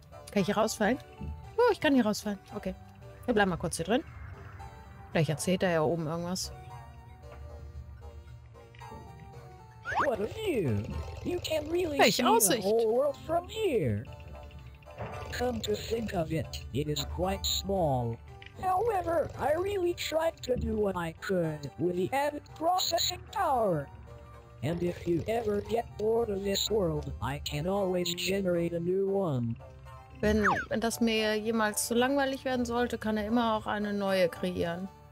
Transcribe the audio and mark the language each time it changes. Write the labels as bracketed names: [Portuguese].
[German] Kann ich hier rausfallen? Oh, ich kann hier rausfallen. Okay. Wir bleiben mal kurz hier drin. Vielleicht erzählt er ja oben irgendwas. [English] What a view! You can really see the whole world from here. Come to think of it, it is quite small. However, I really tried to do what I could with the added processing power. And if you ever get bored of this world, I can always generate a new one. [German] Wenn das mir jemals zu langweilig werden sollte, kann er immer auch eine neue kreieren.